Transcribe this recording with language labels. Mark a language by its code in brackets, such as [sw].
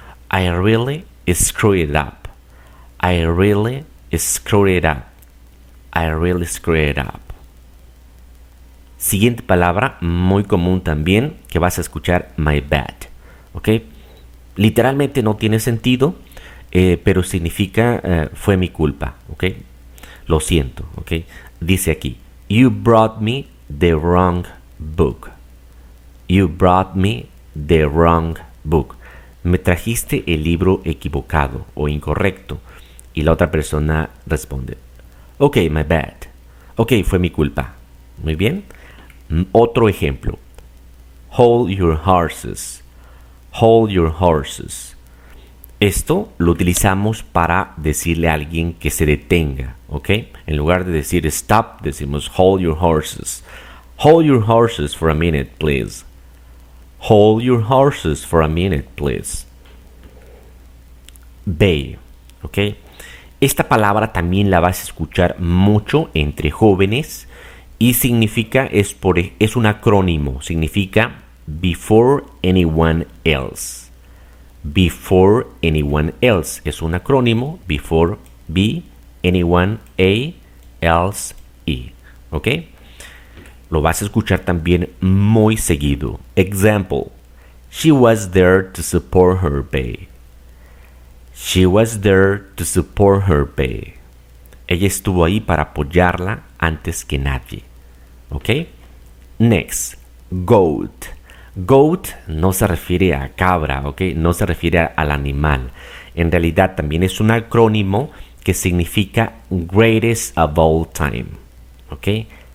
[en] I really screw it up. I really screw it up. I really screw it up. [es] Siguiente palabra, muy común también, que vas a escuchar, [en] my bad. [es] ¿Ok? Literalmente no tiene sentido, pero significa, fue mi culpa. ¿Ok? Lo siento. ¿Ok? Dice aquí, [en] you brought me the wrong book. You brought me the wrong book. [es] Me trajiste el libro equivocado o incorrecto. Y la otra persona responde, [en] ok, my bad. [es] Ok, fue mi culpa. Muy bien. Otro ejemplo. [en] Hold your horses. Hold your horses. [es] Esto lo utilizamos para decirle a alguien que se detenga. [en] Ok. [es] En lugar de decir stop, decimos [en] hold your horses. Hold your horses for a minute, please. Hold your horses for a minute, please. [es] Bay, ¿ok? Esta palabra también la vas a escuchar mucho entre jóvenes y significa, es un acrónimo, significa [en] before anyone else. Before anyone else [es] es un acrónimo, before B, anyone, A, else, E, ¿ok? Lo vas a escuchar también muy seguido. [en] Example, she was there to support her bae. She was there to support her bae. [es] Ella estuvo ahí para apoyarla antes que nadie. ¿Ok? [en] Next, [es] goat. Goat no se refiere a cabra, ¿ok? No se refiere al animal. En realidad también es un acrónimo que significa [en] greatest of all time. [es] ¿Ok?